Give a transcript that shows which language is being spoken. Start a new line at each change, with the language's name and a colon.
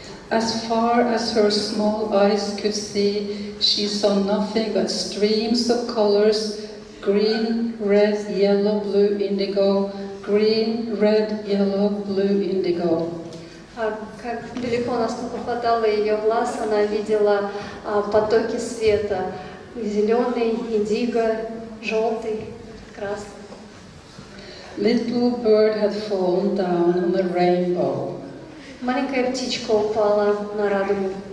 English: As far as her small eyes could see, she saw nothing but streams of colors, green, red, yellow, blue, indigo, green, red, yellow, blue, indigo.
Russian: А как далеко, насколько хватало ее глаз, она видела потоки света, зеленый, индиго, желтый, красный.
English: Little bird had fallen down on the rainbow.
Russian: Маленькая птичка упала на радугу.